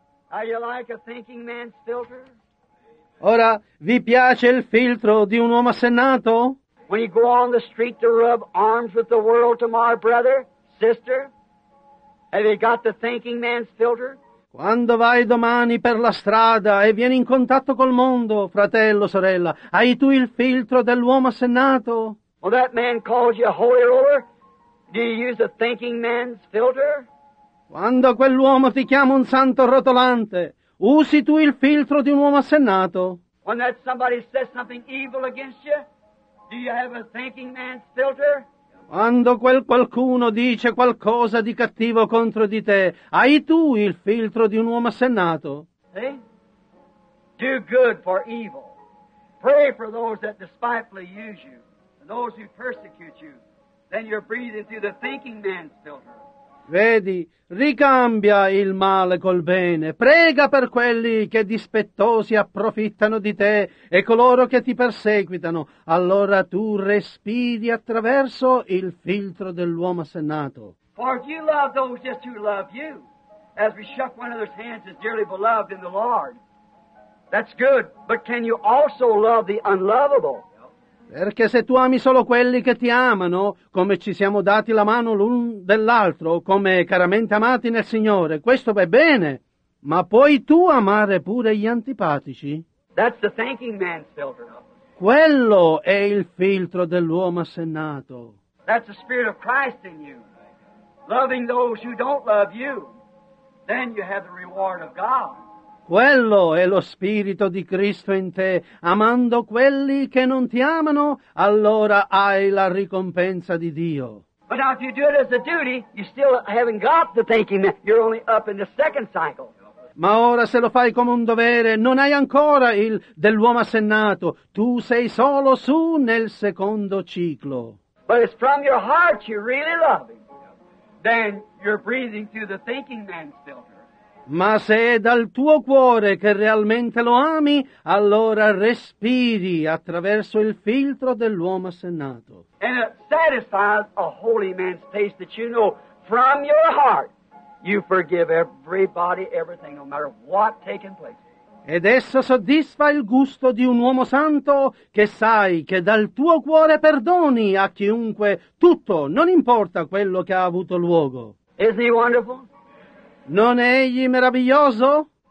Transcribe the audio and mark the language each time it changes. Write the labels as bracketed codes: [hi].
[en] Are you like a thinking man's filter? [it] Ora, vi piace il filtro di un uomo assennato? [en] When you go on the street to rub arms with the world tomorrow, brother, sister, have you got the thinking man's filter? [it] Quando vai domani per la strada e vieni in contatto col mondo, fratello, sorella, hai tu il filtro dell'uomo assennato? [en] Well, that man calls you a holy roller. Do you use a thinking man's filter? [it] Quando quell'uomo ti chiama un santo rotolante, usi tu il filtro di un uomo assennato? [en] When that somebody says something evil against you, do you have a thinking man's filter? [it] Quando quel qualcuno dice qualcosa di cattivo contro di te, hai tu il filtro di un uomo assennato? [en] See? Do good for evil. Pray for those that despitefully use you, and those who persecute you. Then you're breathing through the thinking man's filter. [it] Vedi, ricambia il male col bene. Prega per quelli che dispettosi approfittano di te e coloro che ti perseguitano. Allora tu respiri attraverso il filtro dell'uomo assennato. [en] For if you love those just who love you, as we shook one another's hands as dearly beloved in the Lord, That's good. But can you also love the unlovable? [it] Perché se tu ami solo quelli che ti amano, come ci siamo dati la mano l'un dell'altro, come caramente amati nel Signore, questo va bene. Ma puoi tu amare pure gli antipatici? [en] That's the thinking man's filter. [it] Quello è il filtro dell'uomo assennato. [en] That's the spirit of Christ in you. Loving those who don't love you, then you have the reward of God. [it] Quello è lo spirito di Cristo in te. Amando quelli che non ti amano, allora hai la ricompensa di Dio. [en] But now if you do it as a duty, you still haven't got the thinking man. You're only up in the second cycle. [it] Ma ora se lo fai come un dovere, non hai ancora il dell'uomo assennato. Tu sei solo su nel secondo ciclo. [en] But it's from your heart you really love him. Then you're breathing through the thinking man's filter. [it] Ma se è dal tuo cuore che realmente lo ami, allora respiri attraverso il filtro dell'uomo assennato. [en] And it satisfies a holy man's taste that you know from your heart. You forgive everybody, everything, no matter what taken place. [it] Ed esso soddisfa il gusto di un uomo santo che sai che dal tuo cuore perdoni a chiunque tutto, non importa quello che ha avuto luogo. [en] Isn't he wonderful? [it] Non è egli meraviglioso?